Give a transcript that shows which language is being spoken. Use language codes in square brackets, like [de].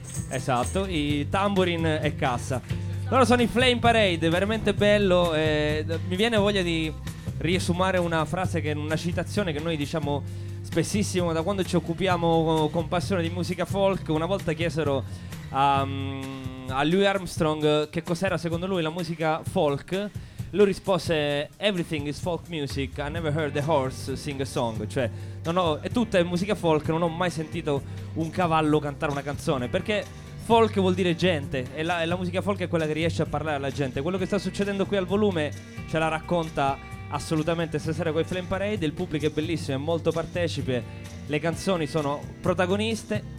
[it] Esatto, i tamburin e cassa. Loro sono i Flame Parade, veramente bello. Mi viene voglia di riassumare una frase, che una citazione che noi diciamo spessissimo da quando ci occupiamo con passione di musica folk. Una volta chiesero a Louis Armstrong che cos'era secondo lui la musica folk. Lui rispose: [en] "Everything is folk music, I never heard a horse sing a song." [it] Cioè, è tutta musica folk, non ho mai sentito un cavallo cantare una canzone. Perché folk vuol dire gente, e la musica folk è quella che riesce a parlare alla gente. Quello che sta succedendo qui al volume ce la racconta assolutamente stasera con i Flame Parade. Il pubblico è bellissimo, è molto partecipe, le canzoni sono protagoniste.